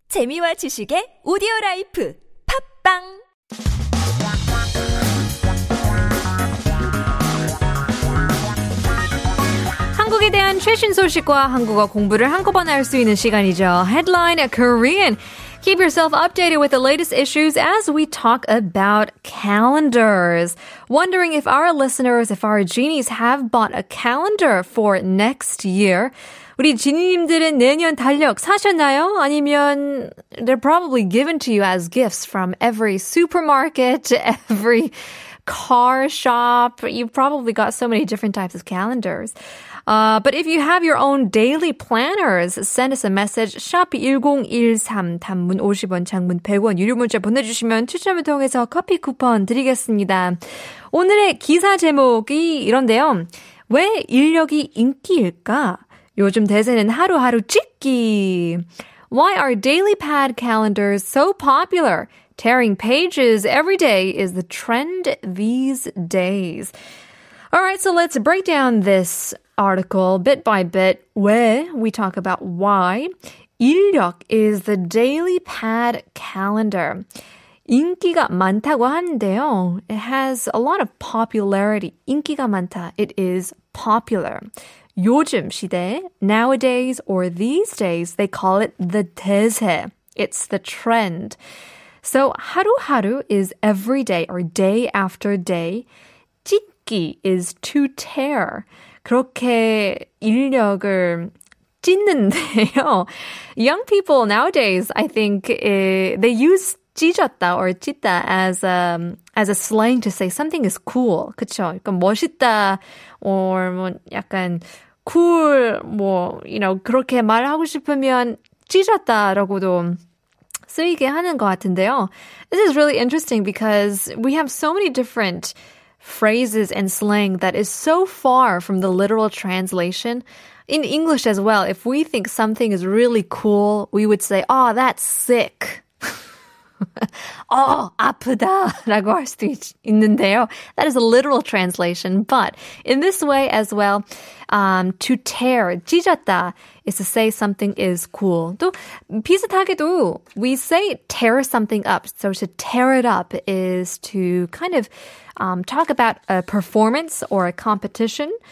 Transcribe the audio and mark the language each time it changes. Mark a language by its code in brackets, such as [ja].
[ko] 재미와 지식의 오디오라이프 팝빵 한국에 대한 최신 소식과 한국어 공부를 한꺼번에 할 수 있는 시간이죠. [en] Headline Korean. Keep yourself updated with the latest issues as we talk about calendars. Wondering if our listeners, if our genies have bought a calendar for next year. [ko] 우리 지니님들은 내년 달력 사셨나요? [en] 아니면 they're probably given to you as gifts from every supermarket, every car shop. You've probably got so many different types of calendars. But if you have your own daily planners, send us a message #1013 [ko] 단문 50원, 장문 100원 유료 문자 보내주시면 추첨을 통해서 커피 쿠폰 드리겠습니다. 오늘의 기사 제목이 이런데요. 왜 인력이 인기일까? 요즘 대세는 하루하루 찍기. [en] Why are daily pad calendars so popular? Tearing pages every day is the trend these days. All right, so let's break down this article bit by bit. Where we talk about why 인력 is the daily pad calendar. [ko] 인기가 많다고 하는데요. [en] It has a lot of popularity. [ko] 인기가 많다. [en] It is popular. [ko] 요즘 시대, [en] nowadays or these days, they call it the 대세. It's the trend. So 하루하루 is every day or day after day. 찢기 is to tear. [ko] 그렇게 인력을 찢는데요. [en] Young people nowadays, I think, they use 찢었다 or 찢다 as a slang to say something is cool. [ko] 그쵸? 약간 멋있다 or 뭐 약간 cool, 뭐, [en] you know, [ko] 그렇게 말하고 싶으면 찢었다라고도 쓰이게 하는 것 같은데요. [en] This is really interesting because we have so many different phrases and slang that is so far from the literal translation. In English as well, if we think something is really cool, we would say, oh, that's sick. [ko] oh, 아프다 라고 할 수도 있는데요. [en] That is a literal translation. But in this way as well, to tear, 찢었다 is to say something is cool. [ko] 또 비슷하게도 [en] we say tear something up. So to tear it up is to kind of talk about a performance or a competition.